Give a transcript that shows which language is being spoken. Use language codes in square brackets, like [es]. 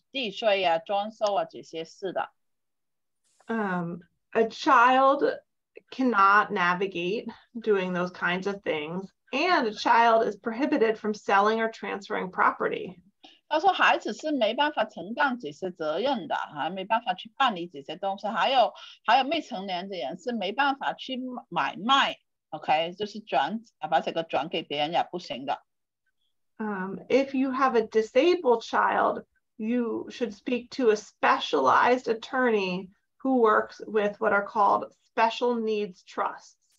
[zh] 然后他这个房子继承这个房子的话，这个人继承这个房子是需要负责任去付这个贷款啊、地税啊、装修啊这些事的。 [en] A child cannot navigate doing those kinds of things, and a child is prohibited from selling or transferring property. [zh] 他说孩子是没办法承担这些责任的，还没办法去办理这些东西，还有未成年的人是没办法去买卖 ，OK， 就是转把这个转给别人也不行的。 [en] If you have a disabled child, you should speak to a specialized attorney who works with what are called special needs trusts.